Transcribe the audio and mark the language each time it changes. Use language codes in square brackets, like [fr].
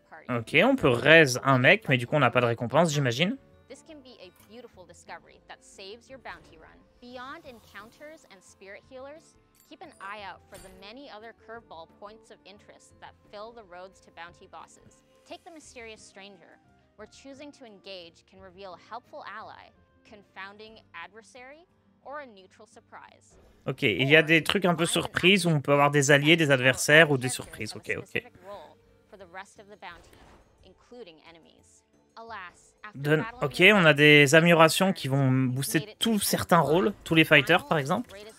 [fr] Ok, on peut raise un mec, mais du coup on n'a pas de récompense, j'imagine. [en] This can be a beautiful discovery that saves your bounty run. Beyond encounters and spirit healers, keep an eye out for the many other curveball points of interest that fill the roads to bounty bosses. Take the mysterious stranger. We're choosing to engage can reveal a helpful ally, confounding adversary, or a neutral surprise. [fr] OK, il y a des trucs un peu surprises où on peut avoir des alliés, des adversaires ou des surprises. OK, OK. [en] For the rest of the bounty, including enemies. Alas, [fr] ok, on a des améliorations qui vont booster tous certains rôles, tous les fighters par exemple.